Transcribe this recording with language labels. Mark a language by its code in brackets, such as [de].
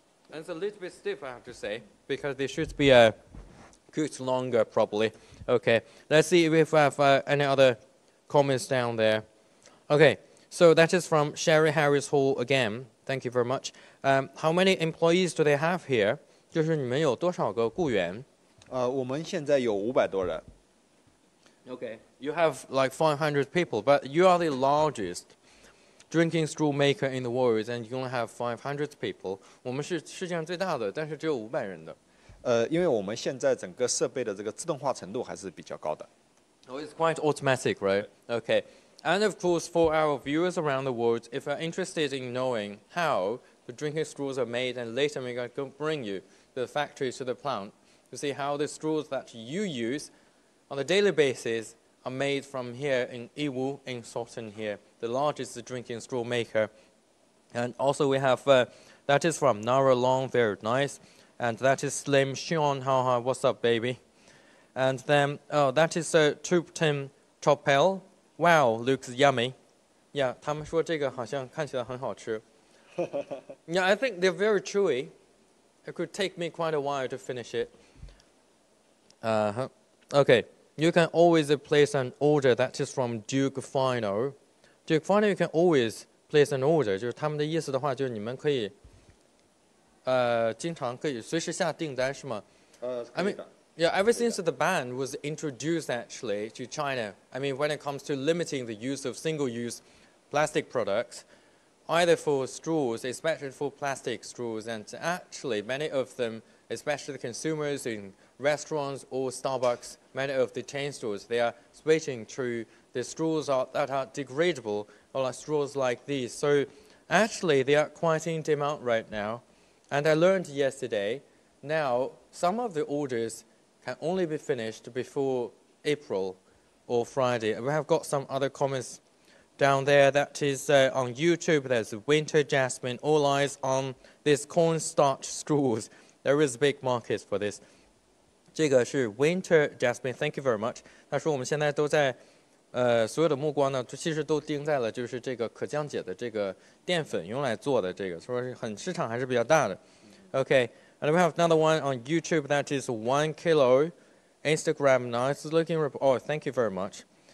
[en] And it's a little bit stiff, I have to say,、because they should be cooked longer, probably. Okay, let's see if we have any other... comments down there. Okay, so that is from Sherry Harris Hall again. Thank you very much. How many employees do they have here? [zh] 就是你们有多少个雇员？我们现在有500多人。 [en] Okay. You have like 500 people, but you are the largest drinking straw maker in the world, and you only have 500 people. [zh] 我们是世界上最大的，但是只有500人的。因为我们现在整个设备的这个自动化程度还是比较高的。 [en] Oh, it's quite automatic, right? Okay. And of course, for our viewers around the world, if you're interested in knowing how the drinking straws are made, and later we're going to bring you to the factory, to the plant, to see how the straws that you use on a daily basis are made from here in Yiwu, in Sotin here, the largest drinking straw maker. And also we have, that is from Nara Long, very nice. And that is Slim Sean, haha, what's up, baby? And then, oh, that is Troop Tim Chopel. Wow, looks yummy. Yeah, [zh] 他们说这个好像看起来很好吃。 [en] Yeah, I think they're very chewy. It could take me quite a while to finish it. Okay, you can always place an order. That is from Duke Final. Duke Final, you can always place an order. [zh] 就是他们的意思的话，就是你们可以。经常可以随时下订单是吗? [en] I mean, yeah, ever since the ban was introduced actually to China, I mean, when it comes to limiting the use of single-use plastic products, either for straws, especially for plastic straws, and actually many of them, especially the consumers in restaurants or Starbucks, many of the chain stores, they are switching to the straws that are degradable, or like straws like these. So actually, they are quite in demand right now. And I learned yesterday, now some of the orders can only be finished before April or Friday. We have got some other comments down there. That is on YouTube, there's Winter Jasmine, all eyes on this cornstarch straws. There is a big market for this. [zh] 这个是 [en] Winter Jasmine, thank you very much. [zh] 他说我们现在都在所有的目光呢，其实都盯在了就是这个可降解的这个淀粉用来做的这个，说是很市场还是比较大的。 [en] Okay, and we have another one on YouTube, that is 1 kilo, Instagram, nice looking report, oh, thank you very much.